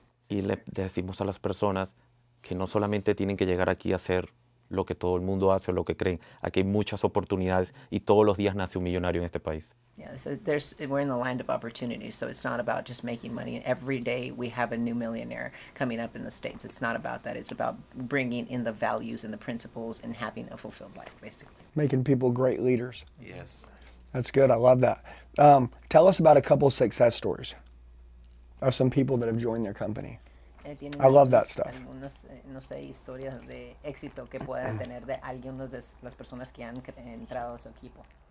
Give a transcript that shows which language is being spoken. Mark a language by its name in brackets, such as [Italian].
[Spanish] Y le decimos a las personas que no solamente tienen que llegar aquí a hacer lo que todo el mundo hace o lo que creen. Aquí hay muchas oportunidades y todos los días nace un millonario en este país. [English] Yeah, so there's we're in the land of opportunities, so it's not about just making money. Every day we have a new millionaire coming up in the States. It's not about that. It's about bringing in the values and the principles and having a fulfilled life, basically. Making people great leaders. Yes. That's good. I love that. Tell us about a couple success stories of some people that have joined their company. I love that stuff. [Spanish] No sé, historias de éxito que puedan tener de alguien de las personas que han entrado a su equipo.